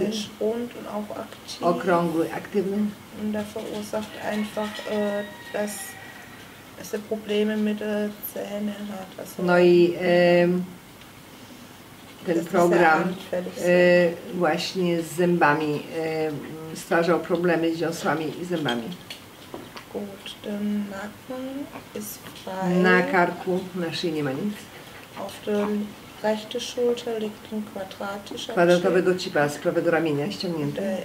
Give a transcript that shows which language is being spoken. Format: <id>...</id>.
<de>Der ist rund und auch aktiv.</de> <pl>Okrągły, aktywny.</pl> <de>Und der verursacht einfach, dass es Probleme mit den Zähnen hat. Also,</de> <pl>no i ten program właśnie z zębami stwarzał problemy z dziąsłami i zębami.</pl> <de>Gut, der Nacken ist frei.</de> <pl>Na karku, na szyi nie ma nic.</pl> <de>Auf der rechten Schulter liegt ein quadratischer</de> <pl>kwadratowego chipa z prawego ramienia ściągnięty.</pl>